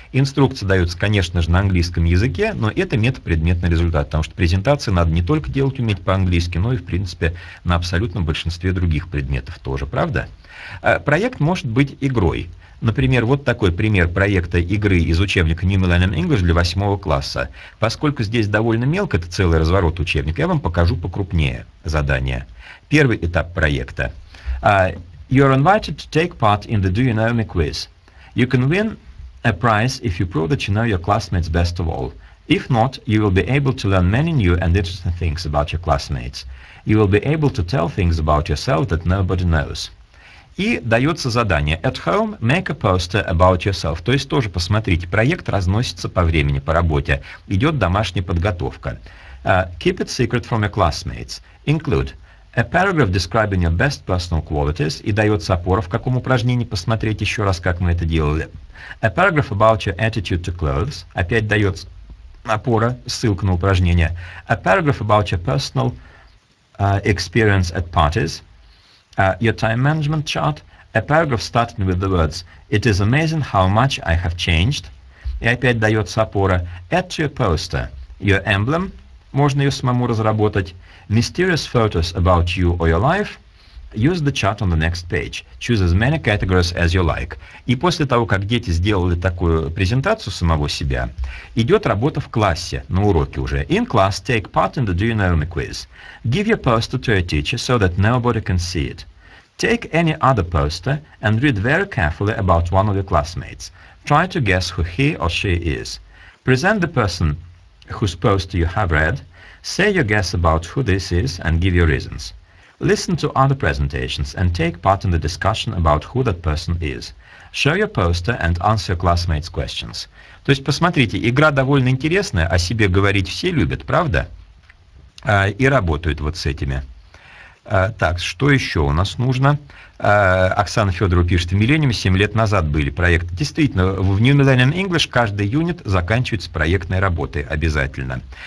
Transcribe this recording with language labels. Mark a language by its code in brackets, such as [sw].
[ru] Инструкция дается, конечно же, на английском языке, но это метапредметный результат, потому что презентации надо не только делать уметь по-английски, но и, в принципе, на абсолютном большинстве других предметов тоже, правда? Проект может быть игрой. Например, вот такой пример проекта игры из учебника New Millennium English для 8 класса. Поскольку здесь довольно мелко, это целый разворот учебника, я вам покажу покрупнее задание. Первый этап проекта. [en] You're invited to take part in the Do You Know Me quiz. You can win a prize if you prove that you know your classmates best of all. If not, you will be able to learn many new and interesting things about your classmates. You will be able to tell things about yourself that nobody knows. [ru] И дается задание [en] «At home, make a poster about yourself». [ru] То есть тоже посмотрите, проект разносится по времени, по работе. Идет домашняя подготовка. [en] Keep it secret from your classmates. Include a paragraph describing your best personal qualities. [ru] И дается опора, в каком упражнении посмотреть еще раз, как мы это делали. [en] A paragraph about your attitude to clothes. [ru] Опять дается опора, ссылка на упражнение. [en] A paragraph about your personal experience at parties, your time management chart, a paragraph starting with the words «It is amazing how much I have changed», [ru] и опять дается опора [en] «Add to your poster», your emblem, [ru] можно ее самому разработать, [en] «Mysterious photos about you or your life», «Use the chart on the next page», «Choose as many categories as you like». [ru] И после того, как дети сделали такую презентацию самого себя, идет работа в классе, на уроке уже. [en] «In class, take part in the Do You Know Me quiz. Give your poster to your teacher so that nobody can see it. Take any other poster and read very carefully about one of your classmates. Try to guess who he or she is. Present the person whose poster you have read. Say your guess about who this is and give your reasons. Listen to other presentations and take part in the discussion about who that person is. Show your poster and answer your classmates' questions». [ru] То есть, посмотрите, игра довольно интересная, о себе говорить все любят, правда? И работают вот с этими. Так, что еще у нас нужно? Оксана Федорова пишет, в «Миллениуме» 7 лет назад были проекты. Действительно, в New Millennium English каждый юнит заканчивается проектной работой обязательно.